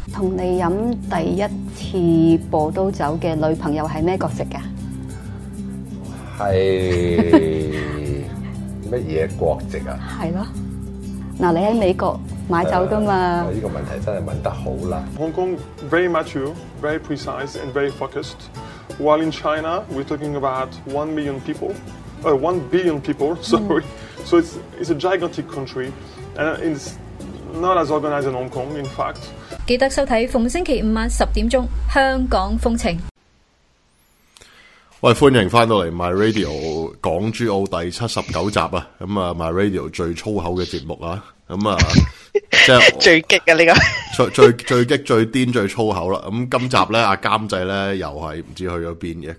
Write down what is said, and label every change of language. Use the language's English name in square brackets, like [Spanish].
[Cantonese] 同你饮第一次葡萄酒嘅女朋友系咩角色噶？系乜嘢国籍啊？系咯，嗱，你喺美国买酒噶嘛？呢个问题真系问得好啦。 [English] Hong Kong very mature, very precise and very focused. While in China, we're talking about 1 billion people, sorry. So it's a gigantic country, and it's not as organized as Hong Kong, in fact. [Cantonese] 记得收睇逢星期五晚十点钟《香港风情》。喂，欢迎翻到嚟 My Radio 港珠澳第79集啊！咁啊 ，My Radio 最粗口嘅节目啊！咁啊，即系最激啊！呢个最激、最癫、最粗口啦！咁今集咧，阿监制咧又系唔知去咗边嘅。